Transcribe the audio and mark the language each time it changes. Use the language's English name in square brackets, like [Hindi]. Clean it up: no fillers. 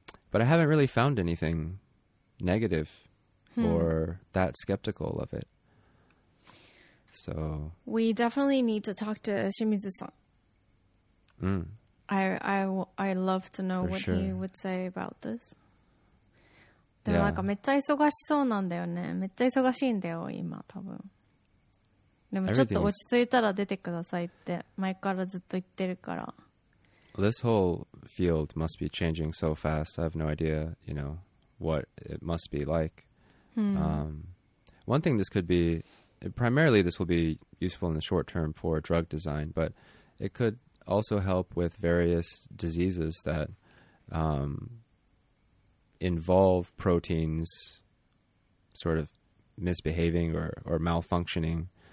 [English] But I haven't really found anything negative or that skeptical of it. So we definitely need to talk to Shimizu-san. I love to know what he would say about this. [Japanese] でもなんかめっちゃ忙しそうなんだよね。めっちゃ忙しいんだよ今多分。でもちょっと落ち着いたら出てくださいって前からずっと言ってるから。 [English] This whole field must be changing so fast. I have no idea, you know, what it must be like. One thing this could be, primarily this will be useful in the short term for drug design, but it could also help with various diseases that involve proteins sort of misbehaving or malfunctioning.